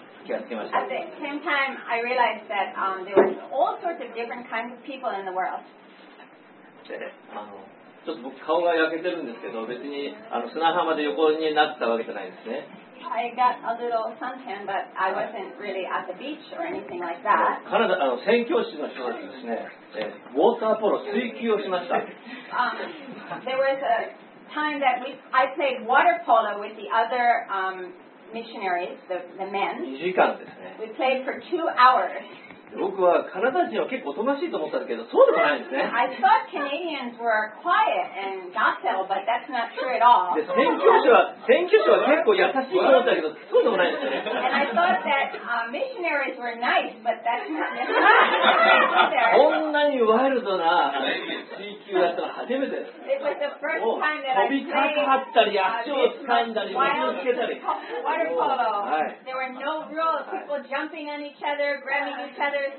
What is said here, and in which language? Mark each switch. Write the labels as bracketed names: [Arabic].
[English] At the same time, I realized that there were all sorts of different kinds of people in the world. [Japanese] ちょっと僕顔が焼けてるんですけど、別に砂浜で横になったわけじゃないですね。 [English] I got a little suntan, but I wasn't really at the beach or anything like that. [Japanese] カナダ、宣教師の人たちですね、ウォーターポロ、水球をしました。 [English] there was a time that I played water polo with the other missionaries, the men. [Japanese] 2時間ですね。 [English] We played for 2 hours. [Japanese] 僕はカナダ人は結構おとなしいと思ったんですけど、そうでもないんですね。 [English] I thought Canadians were quiet and docile, but that's not true at all. [Japanese] 宣教師は結構優しいと思ったけど、そうでもないんですね。 [English] And I thought that missionaries were nice, but that's not necessarily true. [Japanese] こんなにワイルドな地球だったの初めてです。 [English] It was the first time that I played. [Japanese] 飛びかかったり、足をつかんだり、水をつけたり。 [English] Water polo. There were no rules. People jumping on each other, grabbing each other.